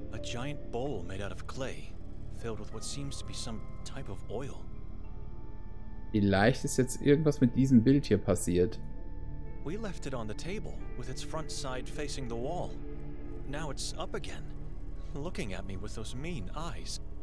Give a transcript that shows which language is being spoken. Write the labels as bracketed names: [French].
[English] A giant bowl made out of clay, filled with what seems to be some type of oil. [German] Vielleicht ist jetzt irgendwas mit diesem Bild hier passiert. [English] We left it on the table, with its front side facing the wall. Now it's up again, looking at me with those mean eyes.